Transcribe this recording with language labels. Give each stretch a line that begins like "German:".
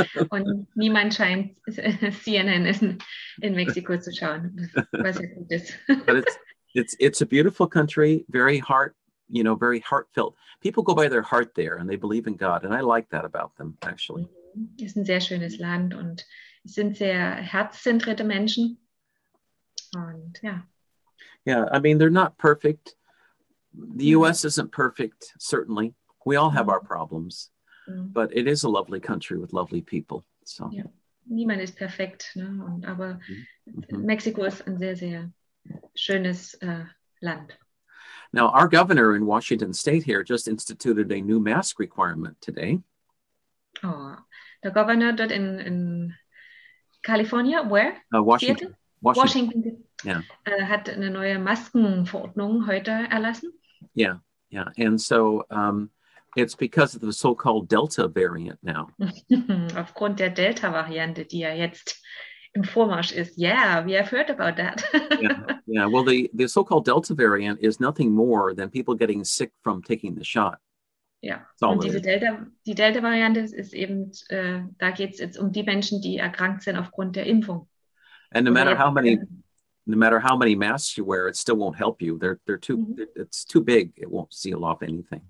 German: Und niemand scheint CNN in Mexiko zu schauen, was ja gut ist.
English: But it's a beautiful country, very heartfelt. People go by their heart there and they believe in God, and I like that about them, actually.
German: Es ist ein sehr schönes Land und es sind sehr herzzentrierte Menschen. Und ja.
English: Yeah, I mean, they're not perfect. The U.S. isn't perfect, certainly. We all have our problems. But it is a lovely country with lovely people. So. Ja.
German: Niemand ist perfekt, ne? Und, aber Mexiko ist ein sehr, sehr schönes Land.
English: Now, our governor in Washington State here just instituted a new mask requirement today.
German: Oh, der Governor dort in Kalifornien,
English: where? Washington. Yeah.
German: Hat eine neue Maskenverordnung heute erlassen.
English: Yeah, yeah. And so it's because of the so-called Delta variant now.
German: Aufgrund der Delta-Variante, die ja jetzt im Vormarsch ist.
English: Yeah, we have heard about that. Yeah, well, the so-called Delta variant is nothing more than people getting sick from taking the shot.
German: Ja, und die Delta-Variante ist eben, da geht es jetzt um die Menschen, die erkrankt sind aufgrund der Impfung.
English: And no matter how many masks you wear, it still won't help you. They're too, it's too big. It won't seal off anything.